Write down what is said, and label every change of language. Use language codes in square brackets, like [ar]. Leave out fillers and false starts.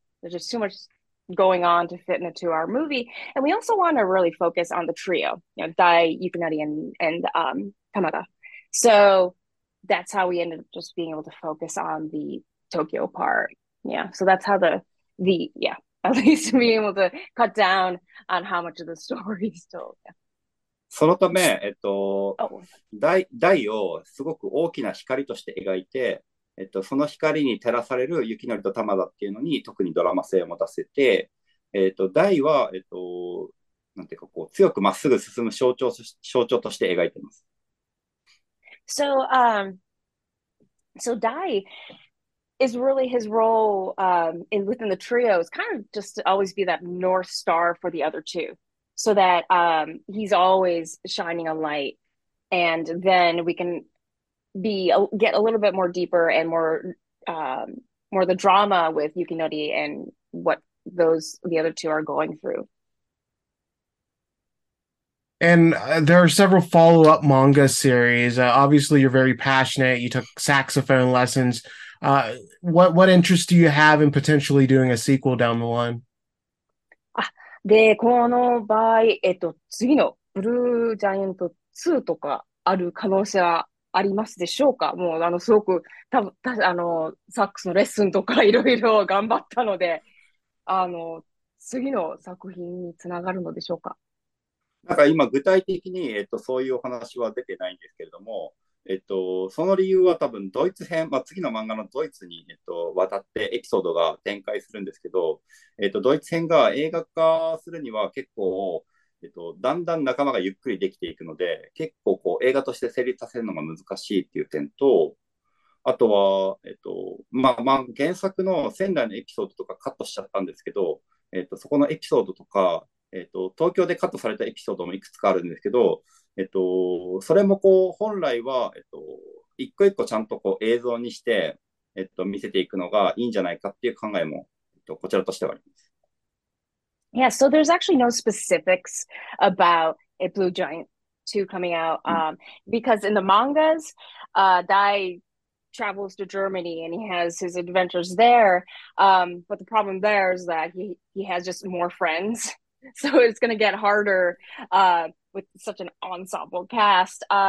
[en] There's just too much going on to fit in a 2-hour movie. And we also want to really focus on the trio, Dai, Yukinari, and Tamada. So that's how we ended up just being able to focus on the Tokyo part. Yeah. So that's how at least being able to cut down on how much of the story is told. Yeah. [ja] そのため、 [en] Oh. [ja] 大をすごく大きな光として描いて、その光に照らされる雪乃と玉田っていうのに特にドラマ性を持たせて、大は、なんていうかこう、強くまっすぐ進む象徴として描いています。 [en] So Dai is really his role within the trio is kind of just to always be that North Star for the other two, so that he's always shining a light, and then we can get a little bit more deeper and more the drama with Yukinori and what the other two are going through. And there are several follow-up manga series. Obviously, you're very passionate. You took saxophone lessons. What interest do you have in potentially doing a sequel down the line? [ja] で、この場合、次のブルージャイアント2とかある可能性はありますでしょうか？もう、すごく、たぶん、た、あの、サックスのレッスンとかいろいろ頑張ったので、次の作品につながるのでしょうか？なんか今、具体的に、そういうお話は出てないんですけれども、その理由は多分ドイツ編、まあ、次の漫画のドイツに、渡ってエピソードが展開するんですけど、ドイツ編が映画化するには結構、だんだん仲間がゆっくりできていくので、結構こう映画として成立させるのが難しいっていう点と、あとは、まあ、原作の仙台のエピソードとかカットしちゃったんですけど、そこのエピソードとか、東京でカットされたエピソードもいくつかあるんですけど、それもこう本来は、一個一個ちゃんとこう映像にして、見せていくのがいいんじゃないかっていう考えも、こちらとしてはあります。 [en] Yeah, so there's actually no specifics about a Blue Giant 2 coming out because in the mangas, Dai travels to Germany and he has his adventures there. But the problem there is that he has just more friends, so it's going to get harder with such an ensemble cast.